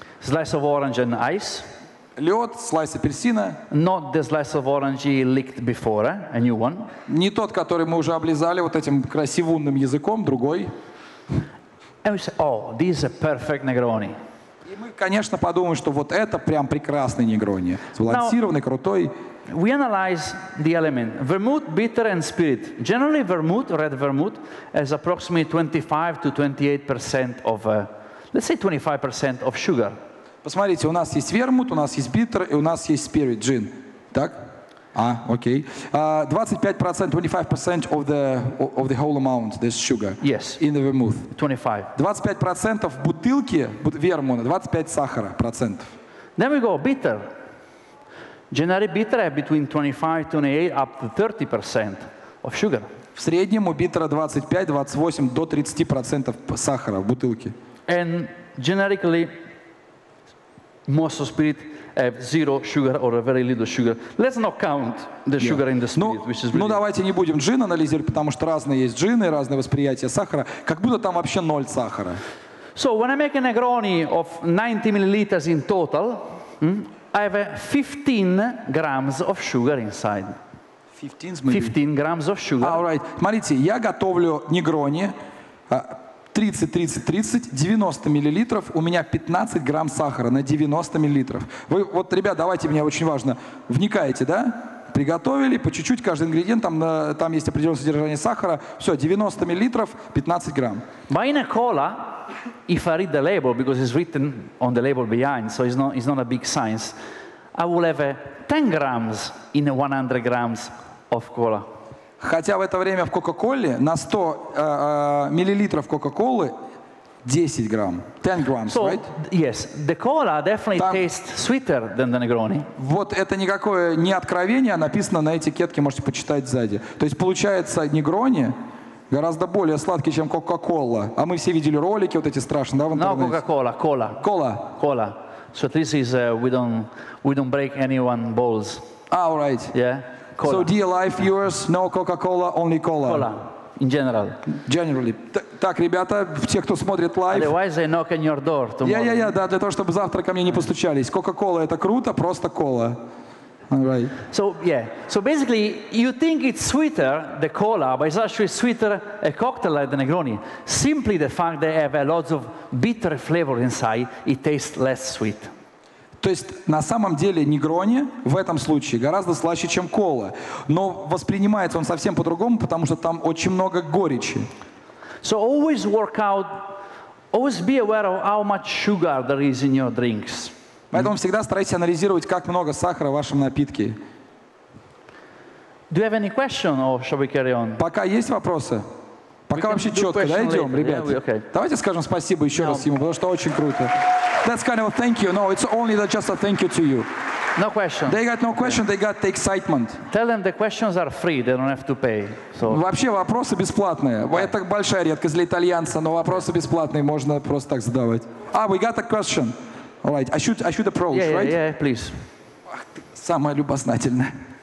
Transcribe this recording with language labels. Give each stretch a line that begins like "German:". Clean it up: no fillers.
English: Slice of orange and ice.
Russian: Лед, слайс апельсина.
English: Not the slice of orange he licked before, a new one.
Russian: Не тот, который мы уже облизали вот этим красивунным языком, другой.
English: And we say, oh, this is a perfect Negroni.
Russian: И мы, конечно, подумаем, что вот это прям прекрасный Негрони. Сбалансированный, крутой.
English: We analyze the element. Vermouth, bitter and spirit. Generally vermouth, red vermouth, has approximately 25 to 28% of, let's say 25% of sugar.
Russian: Посмотрите, у нас есть вермут, у нас есть биттер и у нас есть спирит, джин. Так? А, окей.
English: 25%, 25% of the whole amount, this sugar. Yes. In the vermouth. 25.
Russian: 25% бутылки вермута, 25 сахара процентов.
English: Then we go, bitter. Generally bitter have between 25, 28, up to 30% of sugar.
Russian: В среднем у биттера 25, 28 до 30% сахара в бутылке.
English: And generically, most of spirit have zero sugar or a very little sugar. Let's not count the sugar in the spirit, which is really...
Russian: Ну, давайте не будем джин анализировать, потому что разные есть джины, разное восприятие сахара. Как будто там вообще ноль сахара.
English: So, when I make a Negroni of 90 milliliters in total, I have 15 grams of sugar inside. 15 grams of sugar. All right.
Russian: Смотрите, я готовлю Негрони... 30, 90 миллилитров, у меня 15 грамм сахара на 90 миллилитров. Вы, вот, ребят, давайте, мне очень важно, вникаете, да? Приготовили, по чуть-чуть, каждый ингредиент, там есть определенное содержание сахара. Все, 90 миллилитров, 15 грамм.
English: But in a cola, if I read the label, because it's written on the label behind, so it's not a big science, I will have 10 grams in 100 grams of cola.
Russian: Хотя в это время в Кока-Коле на 100 миллилитров Кока-Колы 10 грамм.
English: 10 grams, so, right? Yes, the cola definitely там, tastes sweeter than the Negroni.
Russian: Вот это никакое не откровение, а написано на этикетке, можете почитать сзади. То есть получается, Негрони гораздо более сладкий, чем Кока-Кола. А мы все видели ролики вот эти страшные, да, в интернете?
English: No, Coca-Cola, cola. Cola. Cola. So at least is, we don't break anyone's balls. All right. Yeah. Cola. So, dear life viewers, no Coca-Cola, only cola. Cola, in general. Generally.
Russian: Так, ребята, те, кто смотрит live.
English: Otherwise, I knock on your door tomorrow.
Russian: Yeah, да, для того, чтобы завтра ко мне не постучались. Coca-Cola — это круто, просто cola.
English: All right. So, yeah. So, basically, you think it's sweeter, the cola, but it's actually sweeter a cocktail like the Negroni. Simply the fact they have a lot of bitter flavor inside, it tastes less sweet.
Russian: То есть на самом деле Негрони в этом случае гораздо слаще, чем кола. Но воспринимается он совсем по-другому, потому что там очень много горечи.
English: So always work out, always be aware of how much sugar there is in your drinks.
Russian: Поэтому всегда старайтесь анализировать, как много сахара в вашем напитке.
English: Do you have any question or shall we carry on?
Russian: Пока есть вопросы? Пока вообще четко, да, идем,
English: later.
Russian: Ребят?
English: Yeah, okay.
Russian: Давайте скажем спасибо еще раз ему, потому что очень круто.
English: That's kind of a thank you. No, it's only the, just a thank you to you. No question. They got no question, they got the excitement. Tell them the questions are free, they don't have to pay. So.
Russian: Вообще вопросы бесплатные.
English: Okay.
Russian: Это большая редкость для итальянца, но вопросы бесплатные можно просто так задавать.
English: Ah, we got a question. All right, I should approach, yeah, right? Yeah, please.
Russian: Ах, ты самая любознательная.